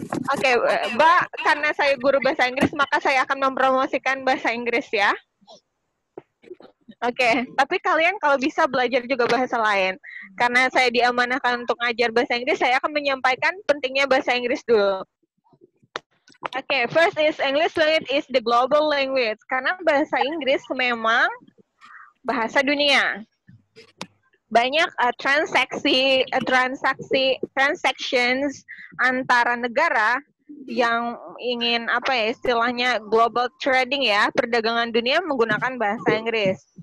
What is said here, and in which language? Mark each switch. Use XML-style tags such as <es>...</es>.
<id>Oke, Mbak, karena saya guru bahasa Inggris, maka saya akan mempromosikan bahasa Inggris ya. Oke, tapi kalian kalau bisa belajar juga bahasa lain. Karena saya diamanahkan untuk ngajar bahasa Inggris, saya akan menyampaikan pentingnya bahasa Inggris dulu.</id> <en>Okay, first is English language is the global language.</en> <id>Karena bahasa Inggris memang bahasa dunia. Banyak transactions antara negara yang ingin apa ya istilahnya global trading ya, perdagangan dunia menggunakan bahasa Inggris.</id>